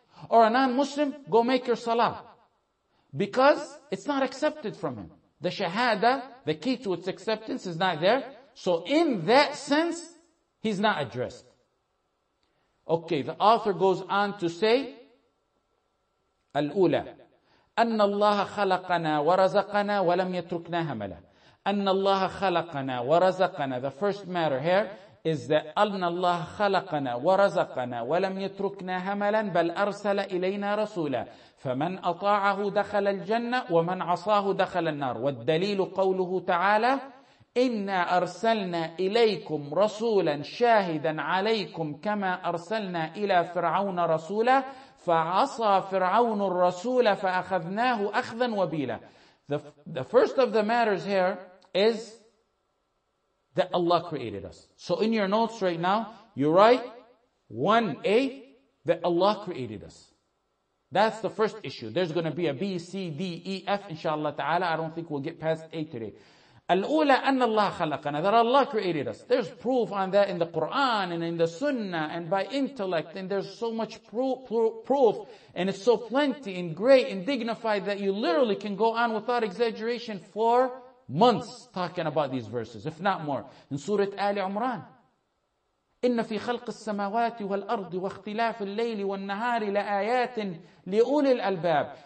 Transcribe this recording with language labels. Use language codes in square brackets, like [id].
[en] Or a non-Muslim, go make your salah. Because it's not accepted from him. The shahada, the key to its acceptance is not there. So in that sense, he's not addressed. Okay, the author goes on to say, Al-Ula. [ar] أن الله خلقنا ورزقنا ولم يتركنا هملا. أن الله خلقنا ورزقنا. [en] The first matter here is that [ar] أن الله خلقنا ورزقنا ولم يتركنا هملا بل أرسل إلينا رسولا. فمن أطاعه دخل الجنة ومن عصاه دخل النار. والدليل قوله تعالى إنا أرسلنا إليكم رسولا شاهدا عليكم كما أرسلنا إلى فرعون رسولا فعصى فرعون الرسول فأخذناه أخذا وبيلا. [en] The first of the matters here is that Allah created us. So in your notes right now, you write 1A, that Allah created us. That's the first issue. There's going to be a B, C, D, E, F, inshallah ta'ala. I don't think we'll get past A today. [ar] الأولى أن الله خلقنا, [en] that Allah created us. There's proof on that in the Quran and in the Sunnah and by intellect, and there's so much proof and it's so plenty and great and dignified that you literally can go on without exaggeration for months talking about these verses, if not more. [ar] In Surah Ali Imran, إن في خلق السماوات والأرض واختلاف الليل والنهار لآيات لأولي الألباب.